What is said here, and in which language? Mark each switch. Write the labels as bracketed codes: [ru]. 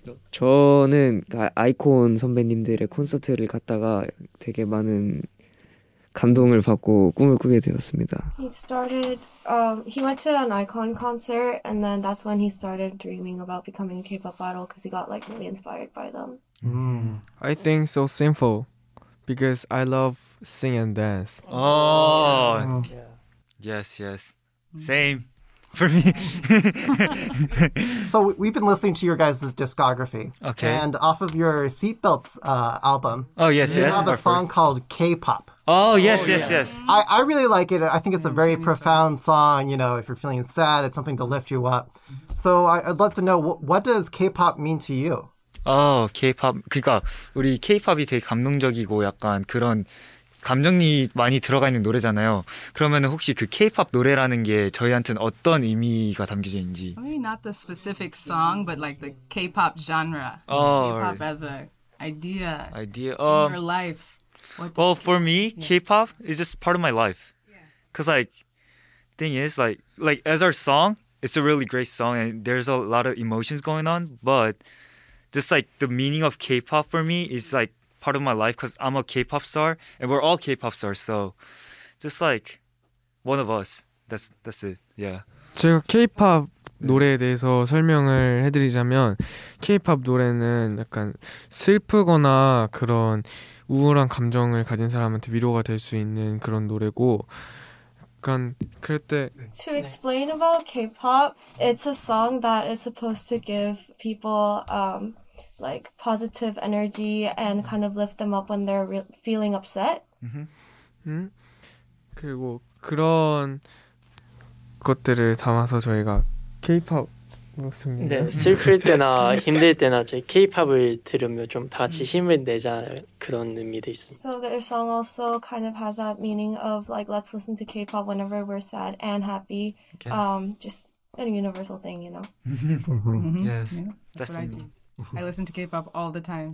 [ko] 저는 아이콘 선배님들의 콘서트를 갔다가 되게 많은 감동을 받고 꿈을 꾸게 되었습니다. [en] He started he went to an icon concert and then that's when he started dreaming about becoming a K-pop idol because he got like really inspired by them. I think so simple because I love sing and dance. Oh. Yeah. Yes, yes. Same for me. So we've been listening to your guys' discography. Okay. And off of your Seatbelts album. Oh, yes, yes. You have a song called K-pop. Oh, yes, yes, yes. I really like it. I think it's a very profound song. You know, if you're feeling sad, it's something to lift you up. So I'd love to know, what does K-pop mean to you? Oh, K-pop. [ko] 그러니까 우리 K-pop이 되게 감동적이고 약간 그런 감정이 많이 들어가 있는 노래잖아요. 그러면 혹시 그 K-pop 노래라는 게 저희한테는 어떤 의미가 담겨져 있는지. [en] Maybe not the specific song, but like the K-pop genre. Oh, K-pop as an idea. Idea. In your life. Well, for me, yeah. K-pop is just part of my life. Because, yeah. Like, thing is, like as our song, it's a really great song, and there's a lot of emotions going on, but just, like, the meaning of K-pop for me is, like, part of my life, because I'm a K-pop star, and we're all K-pop stars, so just, like, one of us. That's it, yeah. [ko] 제가 K-pop 노래에 대해서 설명을 해드리자면, K-pop 노래는 약간 슬프거나 그런 우울한 감정을 가진 사람한테 위로가 될 수 있는 그런 노래고 약간 그럴 때 [en] To explain about K-pop, it's a song that is supposed to give people like positive energy and kind of lift them up when they're feeling upset. [ko] 그리고 그런 것들을 담아서 저희가 K-pop 네, 슬플 때나 힘들 때나 저희 K-pop을 들으면 좀 다 같이 힘을 내자 그런 의미도 있습니다. [en] So their song also kind of has that meaning of like let's listen to K-pop whenever we're sad and happy. Okay. Just a universal thing, you know. Yes. That's what I do. I listen to K-pop all the time.